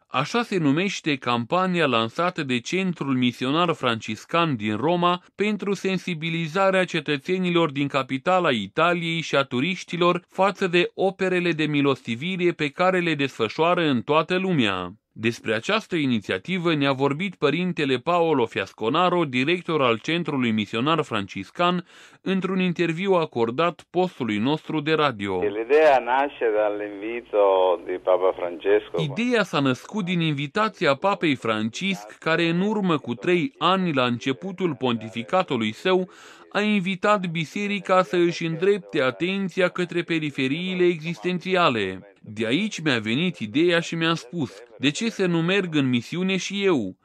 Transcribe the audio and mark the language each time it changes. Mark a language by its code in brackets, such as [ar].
[ro] Așa se numește campania lansată de Centrul Misionar Franciscan din Roma pentru sensibilizarea cetățenilor din capitala Italiei și a turiștilor față de operele de milostivire pe care le desfășoară în toată lumea. Despre această inițiativă ne-a vorbit părintele Paolo Fiasconaro, director al Centrului Misionar Franciscan, într-un interviu acordat postului nostru de radio. [it] L'idea nasce dall'invito di Papa Francesco. [ro] Ideea s-a născut din invitația Papei Francisc, care în urmă cu 3 ani, la începutul pontificatului său, a invitat biserica să își îndrepte atenția către periferiile existențiale. De aici mi-a venit ideea și mi-a spus, de ce să nu merg în misiune și eu?